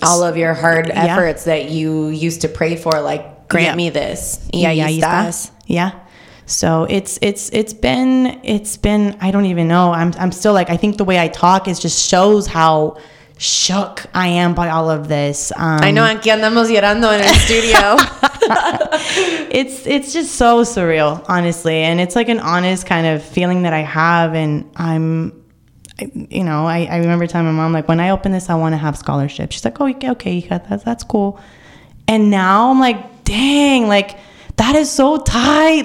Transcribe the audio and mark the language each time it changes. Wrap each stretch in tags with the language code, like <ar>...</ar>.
<en>All of your hard efforts that you used to pray for, like, grant me this. Yeah. So it's been, I don't even know. I'm still like, I think the way I talk is just shows how shook I am by all of this. I know,</en> <es>aquí andamos llorando en el studio.</es> <en>It's just so surreal, honestly, and it's like an honest kind of feeling that I have. And I remember telling my mom, like, when I open this, I want to have scholarship. She's like, oh, okay, hija, that's cool. And now I'm like, dang, like, that is so tight.</en>